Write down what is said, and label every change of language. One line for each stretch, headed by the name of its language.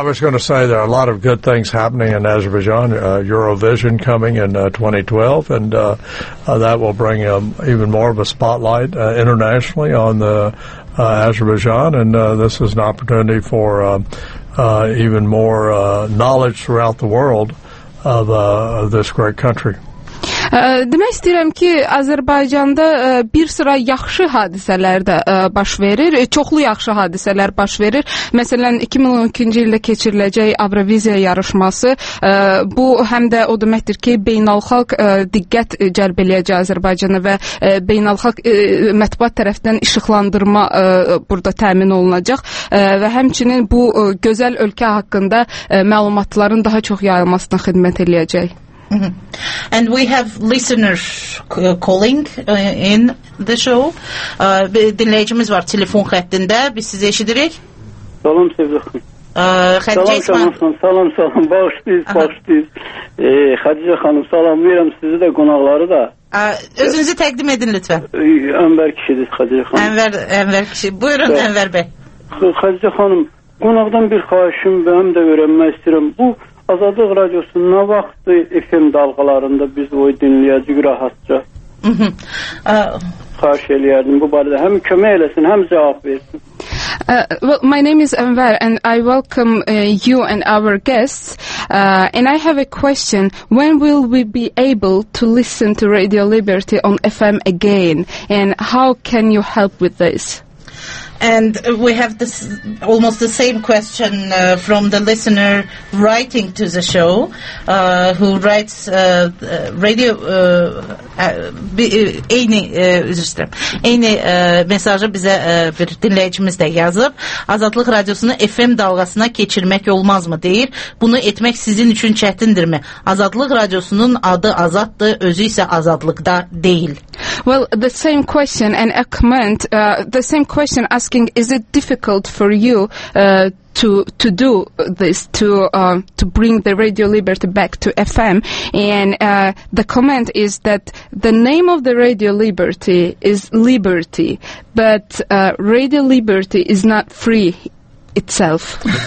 English: No, I was going to say there are a lot of good things happening in Azerbaijan. Eurovision coming in 2012, and that will bring even more of a spotlight internationally on the Azerbaijan, and this is an opportunity for even more knowledge throughout the world of this great country.
Azerbaijani: Demək istəyirəm ki, Azərbaycanda bir sıra yaxşı hadisələr də baş verir, çoxlu yaxşı hadisələr baş verir. Məsələn, 2012-ci ildə keçiriləcək Avroviziya yarışması, bu həm də o deməkdir ki, beynəlxalq diqqət cəlb eləyəcək Azərbaycana və beynəlxalq mətbuat tərəfindən işıqlandırma burada təmin olunacaq və həmçinin bu gözəl ölkə haqqında məlumatların daha çox yayılmasına xidmət eləyəcək. Mm-hmm.
English: And we have listeners calling in the show.
Azerbaijani: Dinləyicimiz var telefon xəttində. Biz sizi eşidirik. Salam Sevgi xanım. Xədicə xanım. Salam. Bağışlayın. Xədicə xanım, salam verirəm sizi də, qonaqları da. Özünüzü təqdim edin lütfən. Ənvər kişidir Xədicə xanım. Ənvər kişi. Buyurun Ənvər bəy. Xədicə xanım, qonaqdan bir xahişim və həm də öyrənmək istəyirəm. Bu Azadlıq Radiosu nə vaxt FM dalğalarında biz o dinləyəcək rahatca? Xahiş eləyərdim bu barədə. Həm kömək eləsin, həm cavab versin.
English: Well, my name is Anwar, and I welcome you and our guests. And I have a question. When will we be able to listen to Radio Liberty on FM again? And how can you help with this? And we have this almost the same question from the listener writing to the show, who writes radio.
Azerbaijani: Eyni mesajı bizə bir dinləyicimiz də yazıb. Azadlıq Radiosunu FM dalğasına keçirmək olmaz mı deyir. Bunu etmək sizin üçün çətindirmi? Azadlıq Radiosunun adı Azaddır, özü isə Azadlıqda deyil.
English: Well, the same question and a comment, the same question asking, is it difficult for you to do this, to bring the Radio Liberty back to FM? And the comment is that the name of the Radio Liberty is Liberty, but Radio Liberty is not free itself.